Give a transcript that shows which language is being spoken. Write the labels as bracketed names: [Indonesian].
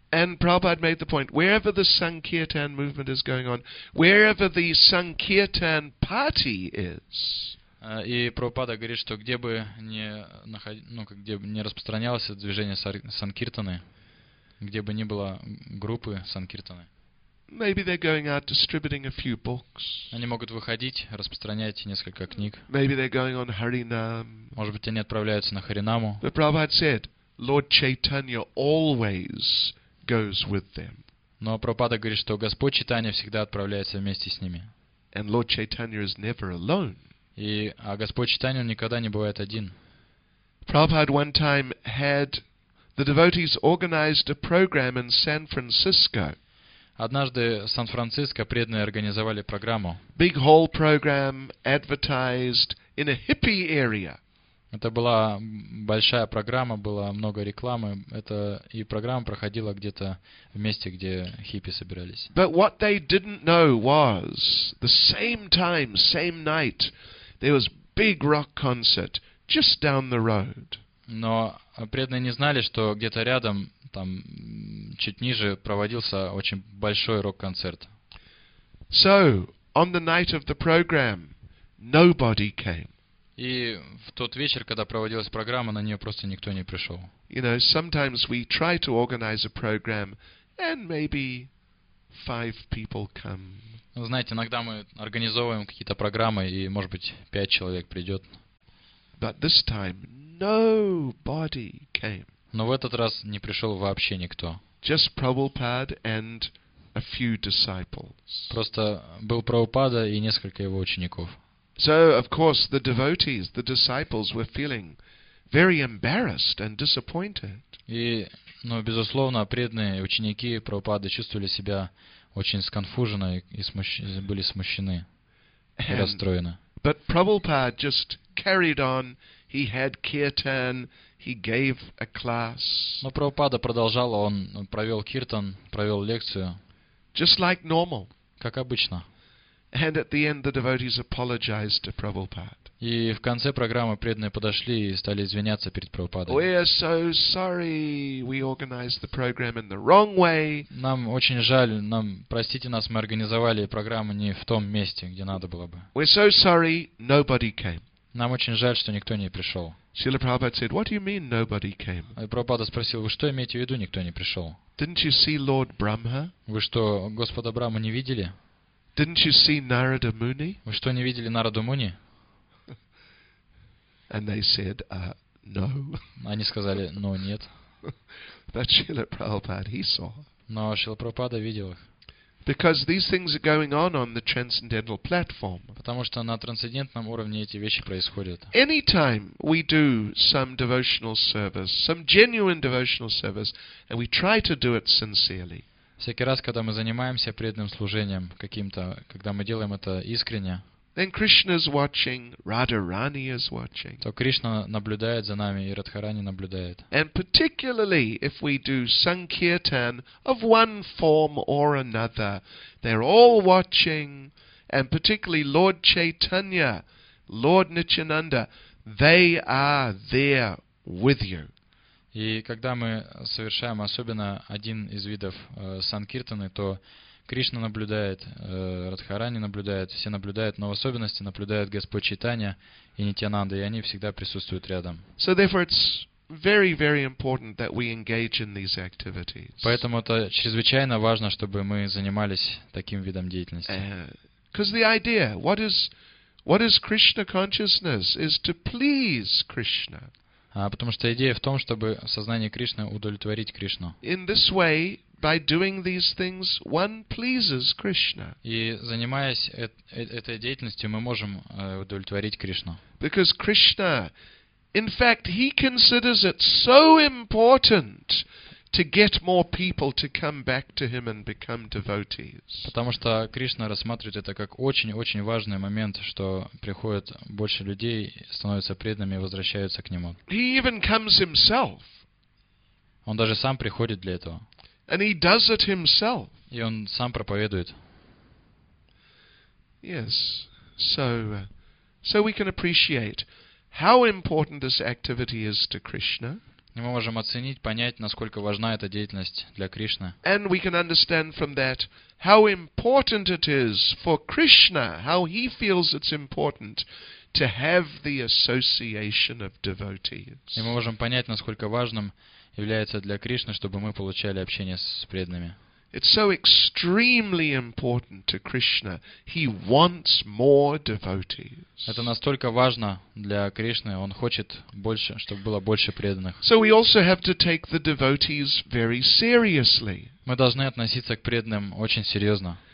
[English] And Prabhupada made the point, wherever the Sankirtan movement is going on, wherever the Sankirtan party is. [Russian] И Прабхупада говорит, что где бы не распространялось это движение санкиртаны, где бы ни было группы санкиртаны. [English] Maybe they're going out distributing a few books. [Russian] Они могут выходить, распространять несколько книг. [English] Maybe they're going on Harinam. [Russian] Может быть, они отправляются на Харинаму. [English] But Prabhupada said, Lord Chaitanya always goes with them. [Russian] Но Прабхупада говорит, что Господь Чайтанья всегда отправляется вместе с ними. [English] And Lord Chaitanya is never alone. [Russian] А Господь Чайтанья никогда не бывает один. [English] Prabhupada one time had The devotees organized a program in San Francisco. [Russian] Однажды в Сан-Франциско преданные организовали программу. [English] Big hall program advertised in a hippie area. [Russian] Это была большая программа, было много рекламы. Это и программа проходила где-то в месте, где хиппи собирались. [English] But what they didn't know was the same time, same night, there was big rock concert just down the road. [Russian] Но преданные не знали, что где-то рядом, там чуть ниже, проводился очень большой рок-концерт. [English] So, on the night of the program, nobody came. [Russian] И в тот вечер, когда проводилась программа, на нее просто никто не пришел. [English] You know, sometimes we try to organize a program, and maybe five people come. [Russian] Знаете, иногда мы организовываем какие-то программы, и, может быть, пять человек придет. [English] But this time nobody came. [Russian] Но в этот раз не пришел вообще никто. [English] Just Prabhupada and a few disciples. [Russian] Просто был Прабхупада и несколько его учеников. [English] So, of course, the devotees, the disciples were feeling very embarrassed and disappointed. [Russian] И, ну, безусловно, преданные ученики Прабхупады чувствовали себя очень сконфуженно и были смущены, и расстроены. [English] But Prabhupada just carried on. He had kirtan, he gave a class. [Russian] Но Прабхупада продолжал, он провел киртан, провел лекцию. [English] Just like normal. [Russian] Как обычно. [English] And at the end the devotees apologized to Prabhupada. [Russian] И в конце программы преданные подошли и стали извиняться перед Прабхупадой. [English] We are so sorry, we organized the program in the wrong way. [Russian] Нам очень жаль, нам простите нас, мы организовали программу не в том месте, где надо было бы. [English] We're so sorry, nobody came. [Russian] Нам очень жаль, что никто не пришел. [English] Srila Prabhupada said, what do you mean nobody came? [Russian] Прабхупада спросил, вы что имеете в виду, никто не пришел? [English] Didn't you see Lord Brahma? [Russian] Вы что, Господа Брахму не видели? [English] Didn't you see Narada Muni? [Russian] Вы что, не видели Нараду Муни? [English] And they said, no. [Russian] Они сказали, но нет. [English] But Srila Prabhupada, he saw. [Russian] Но Srila Prabhupada видел их. [English] Because these things are going on the transcendental platform. [Russian] Потому что на трансцендентном уровне эти вещи происходят. [English] Anytime we do some devotional service, some genuine devotional service, and we try to do it sincerely. [Russian] Всякий раз, когда мы занимаемся преданным служением каким-то, когда мы делаем это искренне, [English] then Krishna is watching, Radharani is watching. [Russian] То Кришна наблюдает за нами и Радхарани наблюдает. [English] And particularly if we do sankirtan of one form or another, they're all watching. And particularly Lord Chaitanya, Lord Nityananda, they are there with you. [Russian] И когда мы совершаем особенно один из видов санкиртаны, то Кришна наблюдает, Радхарани наблюдает, все наблюдают, но в особенности наблюдают Господь Чайтанья и Нитьянанда, и они всегда присутствуют рядом. [English] So therefore it's very, very important that we engage in these activities. [Russian] Поэтому это чрезвычайно важно, чтобы мы занимались таким видом деятельности. [English] Because the idea, what is Krishna consciousness, is to please Krishna. [Russian] Потому что идея в том, чтобы сознание Кришны удовлетворить Кришну. [English] In this way, by doing these things, one pleases Krishna. [Russian] И занимаясь этой деятельностью, мы можем удовлетворить Кришну. [English] Because Krishna, in fact, he considers it so important to get more people to come back to him and become devotees. [Russian] Потому что Кришна рассматривает это как очень-очень важный момент, что приходит больше людей, становятся преданными и возвращаются к нему. [English] He even comes himself. [Russian] Он даже сам приходит для этого. [English] And he does it himself. [Russian] И он сам проповедует. [English] Yes. So we can appreciate how important this activity is to Krishna. [Russian] И мы можем оценить, понять, насколько важна эта деятельность для Кришны. [English] And we can understand from that how important it is for Krishna, how he feels it's important to have the association of devotees. [Russian] И мы можем понять, насколько важным является для Кришны, чтобы мы получали общение с преданными. [English] It's so extremely important to Krishna. He wants more devotees. [Russian] Это настолько важно для Кришны. Он хочет больше, чтобы было больше преданных. [English] So we also have to take the devotees very seriously. [Russian] Мы должны относиться к преданным очень серьезно.